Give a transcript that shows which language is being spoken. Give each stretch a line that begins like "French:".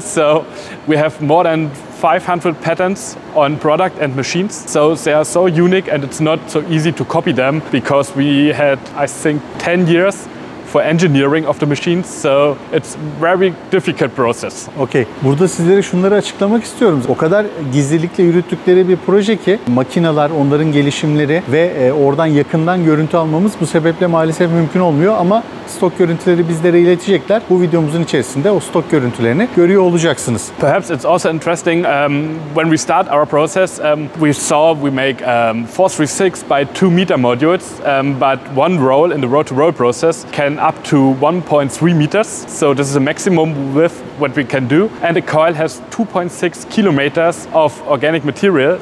English: So we have more than 500 patents on product and machines. So they are so unique, and it's not so easy to copy them because we had, I think, 10 years for engineering of the machines, so it's very difficult process.
Turkish: Okay. Burada sizlere şunları açıklamak istiyorum. O kadar gizlilikle yürüttükleri bir proje ki makineler, onların gelişimleri ve oradan yakından görüntü almamız bu sebeple maalesef mümkün olmuyor ama stok görüntüleri bizlere iletecekler. Bu videomuzun içerisinde o stok görüntülerini görüyor olacaksınız.
English: Perhaps it's also interesting when we start our process, we saw we make 436 by 2 meter modules, but one roll in the roll to roll process can up to 1.3 meters. So this is a maximum width what we can do, and the coil has 2.6 kilometers of organic material.